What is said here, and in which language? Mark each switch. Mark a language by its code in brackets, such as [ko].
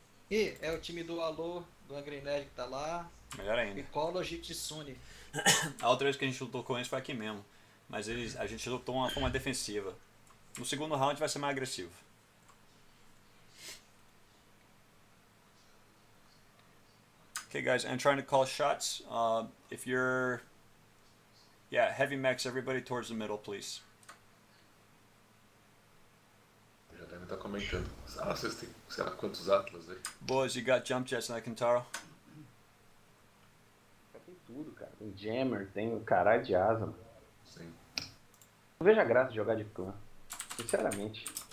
[pt] E é o time do Alô, do Angry Nerd que tá lá. Melhor ainda. Ecology Kitsune. A outra vez que a gente lutou com eles foi aqui mesmo. Mas eles, a gente lutou uma forma defensiva. No segundo round vai ser mais agressivo. [en] Okay, guys, I'm trying to call shots. If you're. Yeah, heavy mechs, everybody towards the middle, please. [pt] Deve estar comentando. Ah, vocês têm, sei lá, quantos Atlas aí? [en] Boys, you got jump jets na Kentaro? [pt] Tem tudo, cara. Tem jammer, tem o caralho de asa, mano. Sim. Não vejo a graça de jogar de clã. Sinceramente.